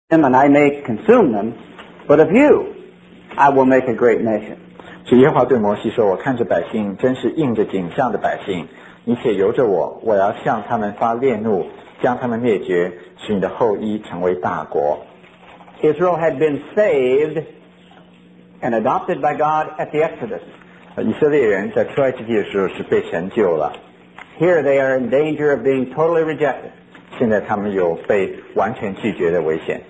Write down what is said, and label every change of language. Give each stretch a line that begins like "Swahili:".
English: them, and I may consume them, but of you I will make a great nation.
Chinese: 主耶和华对摩西说，我看着百姓真是应着景象的百姓，你且由着我，我要向他们发烈怒，将他们灭绝，使你的后裔成为大国。
English: Israel had been saved and adopted by God at the Exodus.
Chinese: 以色列人在出埃及记的时候是被神救了。
English: Here they are in danger of being totally rejected.
Chinese: 现在他们有被完全拒绝的危险。